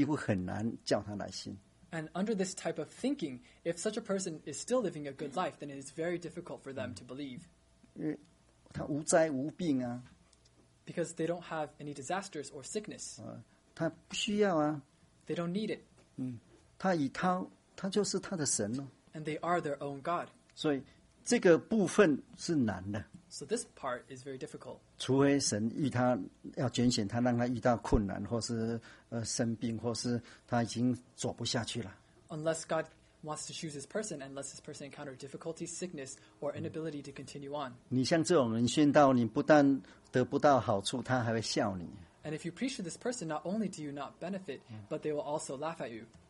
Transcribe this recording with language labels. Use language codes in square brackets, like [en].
[zh] 说，如果在这种思考方式下的人，如果他生活又很好的话，几乎很难叫他来信。 [en] And under this type of thinking, if such a person is still living a good life, then it is very difficult for them to believe. [zh] 因为他无灾无病啊。 [en] Because they don't have any disasters or sickness. [zh] 他不需要啊。 [en] They don't need it. [zh] 他就是他的神了。 [en] And they are their own God. [zh] 所以这个部分是难的。 [en] So this part is very difficult. [zh] 除非神与他要拣选他，让他遇到困难，或是生病，或是他已经走不下去了。 [en] Unless God wants to choose this person and lets this person encounter difficulty, sickness, or inability to continue on. [zh] 你像这种人宣道，你不但得不到好处，他还会笑你。 [en] And if you preach to this person, not only do you not benefit, but they will also laugh at you.